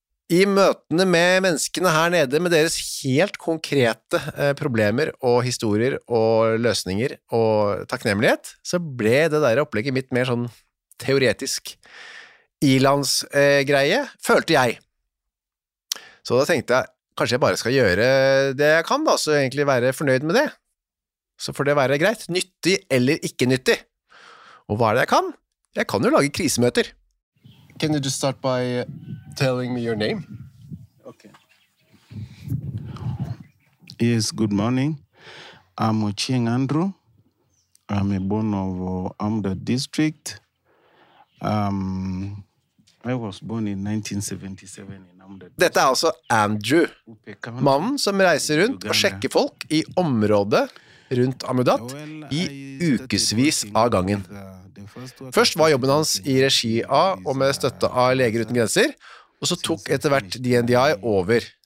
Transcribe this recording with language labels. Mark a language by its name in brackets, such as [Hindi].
[Norwegian] I møtene med menneskene her nede, med deres helt konkrete problemer og historier og løsninger og takknemlighet, så ble det der opplegget mitt mer sånn teoretisk ilandsgreie, følte jeg. Så da tenkte jeg, kanskje jeg bare skal gjøre det jeg kan da, så egentlig være fornøyd med det. Så får det være greit, nyttig eller ikke nyttig. Og hva det jeg kan? Jeg kan jo lage krisemøter. [English] Can you just start by telling me your name? Okay. Yes, good morning. I'm Ocheng Andrew. I'm a born of Amda district. I was born in 1977. [Norwegian] Dette altså Andrew, mannen som reiser rundt og sjekker folk i området rundt Amudat i ukesvis av gangen. Først var jobben hans I regi av og med støtte av Leger uten grenser, og så tok etter hvert DNDi over.